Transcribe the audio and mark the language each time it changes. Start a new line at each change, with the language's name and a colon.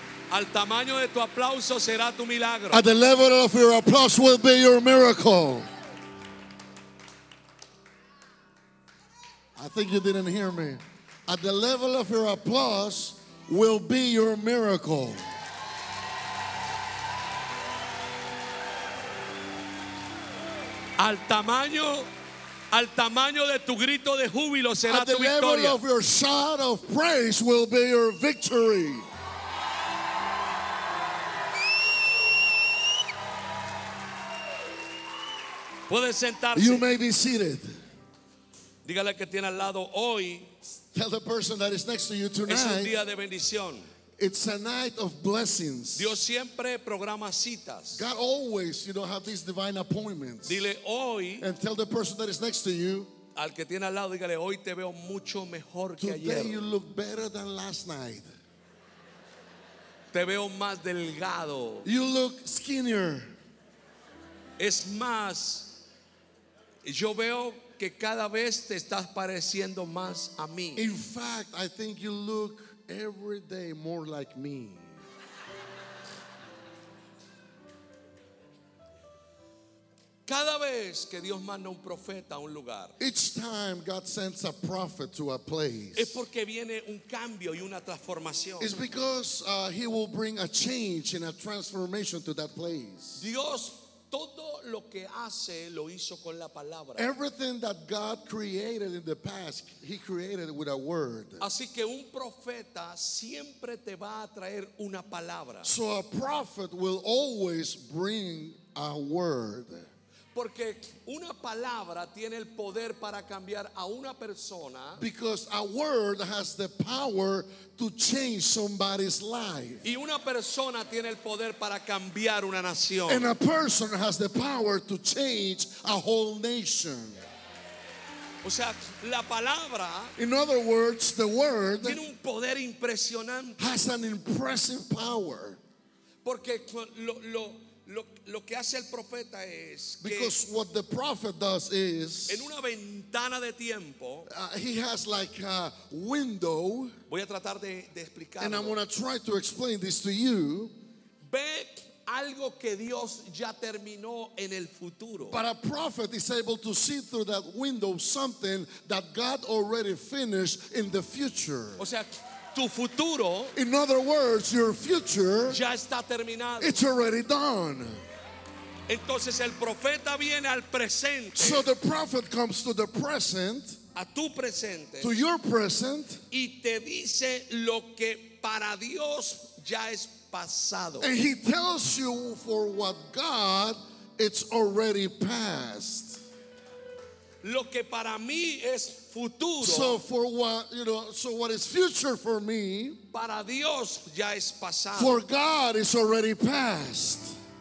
Spanish: Al tamaño de tu aplauso será tu milagro.
English: At the level of your applause will be your miracle. I think you didn't hear me. At the level of your applause will be your miracle.
Spanish: Al tamaño de tu grito de júbilo será tu victoria.
English: At the level of your shout of praise will be your victory.
Spanish: Puedes sentarse.
English: You may be seated.
Spanish: Dígale que tiene al lado hoy.
English: Tell the person that is next to you tonight.
Spanish: Es un día de bendición.
English: It's a night of blessings.
Spanish: Dios siempre programa citas.
English: God always, you know, have these divine appointments.
Spanish: Dile hoy.
English: And tell the person that is next to you.
Spanish: Al que tiene al lado, dígale hoy te veo mucho mejor que ayer.
English: Today you look better than last night.
Spanish: Te veo más delgado.
English: You look skinnier.
Spanish: Es más, yo veo que cada vez te estás pareciendo más a mí.
English: In fact, I think you look every day more like me.
Spanish: Cada vez que Dios manda un profeta a un lugar,
English: each time God sends a prophet to a place,
Spanish: es porque viene un cambio y una transformación.
English: It's because he will bring a change and a transformation to that place.
Spanish: Dios todo lo que hace lo hizo con la palabra.
English: Everything that God created in the past, he created with a word.
Spanish: Así que un profeta siempre te va a traer una palabra.
English: So a prophet will always bring a word.
Spanish: Porque una palabra tiene el poder para cambiar a una persona.
English: Because a word has the power to change somebody's life.
Spanish: Y una persona tiene el poder para cambiar una nación.
English: And a person has the power to change a whole nation.
Spanish: O sea, la palabra,
English: in other words, the word
Spanish: tiene un poder impresionante.
English: Has an impressive power.
Spanish: Porque lo que hace el profeta es que,
English: because what the prophet does is,
Spanish: en una ventana de tiempo,
English: he has like a window.
Spanish: Voy a tratar de explicarlo.
English: And I'm going to try to explain this to you.
Spanish: Ve algo que Dios ya terminó en el futuro.
English: But a prophet is able to see through that window something that God already finished in the future.
Spanish: O sea, tu futuro,
English: in other words, your future,
Spanish: ya está terminado.
English: It's already done.
Spanish: Entonces el profeta viene al presente.
English: So the prophet comes to the present,
Spanish: a tu presente,
English: to your present,
Spanish: y te dice lo que para Dios ya es pasado.
English: And he tells you for what God, it's already past.
Spanish: Lo que para mí es futuro,
English: so for what, you know, so what is future for me,
Spanish: para Dios ya es pasado.
English: For God is already past.